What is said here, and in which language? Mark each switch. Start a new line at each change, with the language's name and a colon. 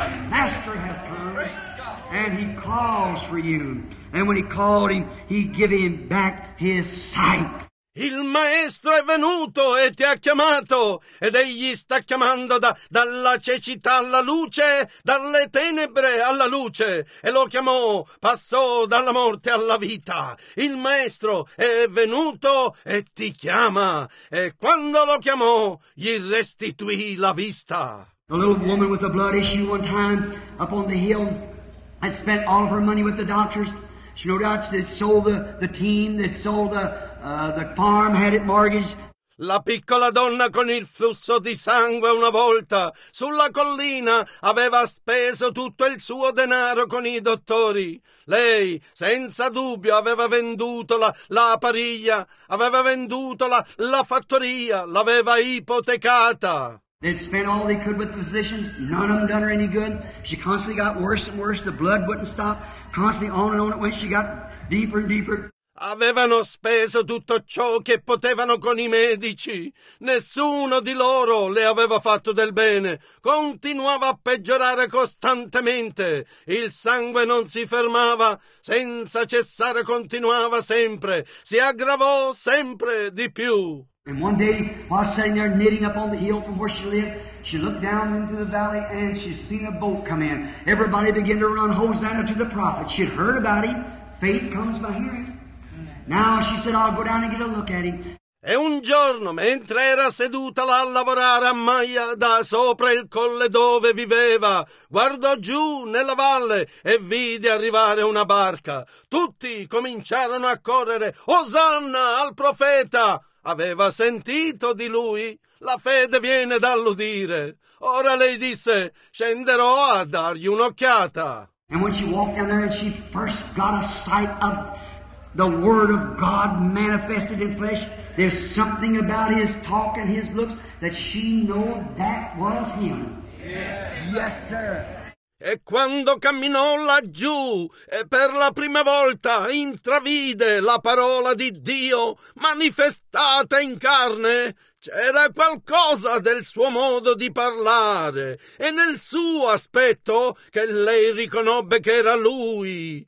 English: Master has come, and he calls for you. And when he called him, he gave him back his sight.
Italian: Il Maestro è venuto e ti ha chiamato, ed egli sta chiamando dalla cecità alla luce, dalle tenebre alla luce, e lo chiamò, passò dalla morte alla vita. Il Maestro è venuto e ti chiama, e quando lo chiamò, gli restituì la vista.
English: A little woman with a blood issue one time up on the hill had spent all of her money with the doctors. She no doubt had sold the team, that sold the farm, had it mortgaged.
Italian: La piccola donna con il flusso di sangue una volta sulla collina aveva speso tutto il suo denaro con i dottori. Lei senza dubbio aveva venduto la pariglia, aveva venduto la fattoria, l'aveva ipotecata.
English: They spent all they could with physicians. None of them done her any good. She constantly got worse and worse. The blood wouldn't stop. Constantly on and on it went. She got deeper and deeper.
Italian: Avevano speso tutto ciò che potevano con i medici. Nessuno di loro le aveva fatto del bene. Continuava a peggiorare costantemente. Il sangue non si fermava. Senza cessare continuava sempre. Si aggravò sempre di più.
English: And one day, while sitting there knitting up on the hill from where she lived, she looked down into the valley and she seen a boat come in. Everybody began to run Hosanna to the prophet. She had heard about him. Faith comes by hearing. Now she said, I'll go down and get a look at him.
Italian: E un giorno, mentre era seduta là a lavorare a maglia da sopra il colle dove viveva, guardò giù nella valle e vide arrivare una barca. Tutti cominciarono a correre. Osanna al profeta! Aveva sentito di lui? La fede viene dall'udire. Ora lei disse, scenderò a dargli un'occhiata.
English: And when she walked down there and she first got a sight of the Word of God manifested in flesh, there's something about his talk and his looks that she knew that was him. Yes, yes sir.
Italian: E quando camminò laggiù e per la prima volta intravide la parola di Dio manifestata in carne, c'era qualcosa del suo modo di parlare e nel suo aspetto che lei riconobbe che era lui.